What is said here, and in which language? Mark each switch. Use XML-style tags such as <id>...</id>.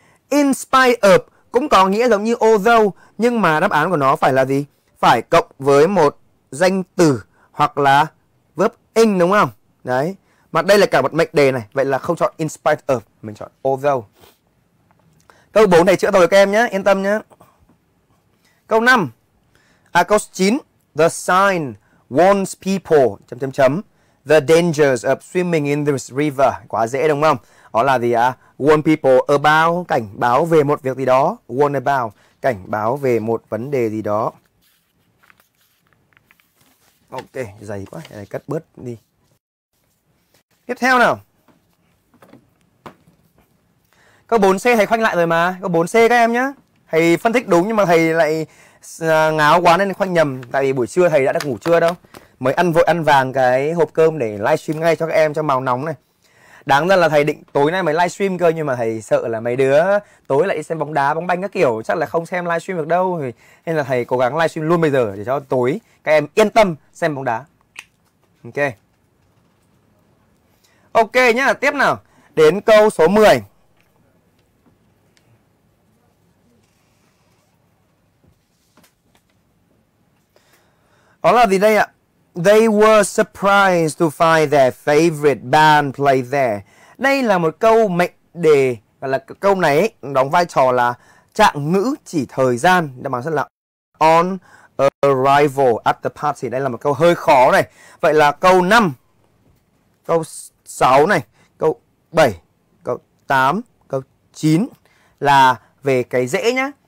<en>In spite of</en> <vi>cũng có nghĩa giống như although, nhưng mà đáp án của nó phải là gì? Phải cộng với một danh từ hoặc là verb in đúng không? Đấy. Mà đây là cả một mệnh đề này, vậy là không chọn in spite of, mình chọn although. Câu 4 này chữa rồi các em nhé, yên tâm nhé. Câu 5. À câu 9.</vi> <en>The sign warns people the dangers of swimming in this river.</en> <vi>Quá dễ đúng không? Đó là gì ạ?</vi> <en>Warn people about,</en> <vi>cảnh báo về một việc gì đó. Warn about, cảnh báo về một vấn đề gì đó. Ok, dày quá, để cắt bớt đi. Tiếp theo nào. Câu 4C thầy khoanh lại rồi mà, câu 4C các em nhá. Thầy phân tích đúng nhưng mà thầy lại ngáo quá nên khoanh nhầm. Tại vì buổi trưa thầy đã được ngủ trưa đâu. Mới ăn vội ăn vàng cái hộp cơm để livestream ngay cho các em cho màu nóng này. Đáng ra là thầy định tối nay mới livestream cơ, nhưng mà thầy sợ là mấy đứa tối lại đi xem bóng đá, bóng banh các kiểu, chắc là không xem livestream được đâu. Nên là thầy cố gắng livestream luôn bây giờ để cho tối các em yên tâm xem bóng đá. Ok. Ok nhá, tiếp nào. Đến câu số 10. Đó là gì đây ạ?</vi> <en>They were surprised to find their favorite band play there.</en> <vi>Đây là một câu mệnh đề, và là câu này ấy, đóng vai trò là trạng ngữ chỉ thời gian. Đáp án sẽ là</vi> <en>on arrival at the party.</en> <vi>Đây là một câu hơi khó này. Vậy là câu 5, câu 6 này, câu 7, câu 8, câu 9 là về cái dễ nhá.</vi>